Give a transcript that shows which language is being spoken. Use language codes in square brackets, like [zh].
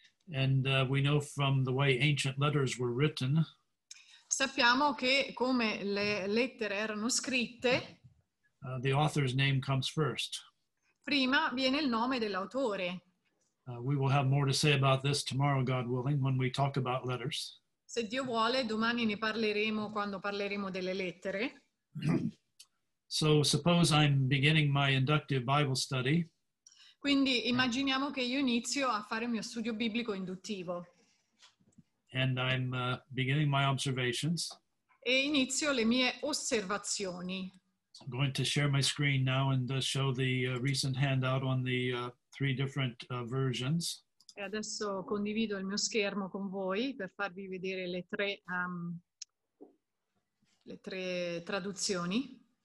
[en] And we know from the way ancient letters were written. [it] Sappiamo che come le lettere erano scritte. [en] The author's name comes first. [it] Prima viene il nome dell'autore. [en] We will have more to say about this tomorrow, God willing, when we talk about letters. [it] Se Dio vuole, domani ne parleremo quando parleremo delle lettere. [en] So suppose I'm beginning my inductive Bible study. [it] Quindi immaginiamo che io inizio a fare il mio studio biblico induttivo. [en] And I'm beginning my observations. [it] E inizio le mie osservazioni. [en] I'm going to share my screen now and show the recent handout on the three different versions. [it] E adesso condivido il mio schermo con voi per farvi vedere le tre traduzioni.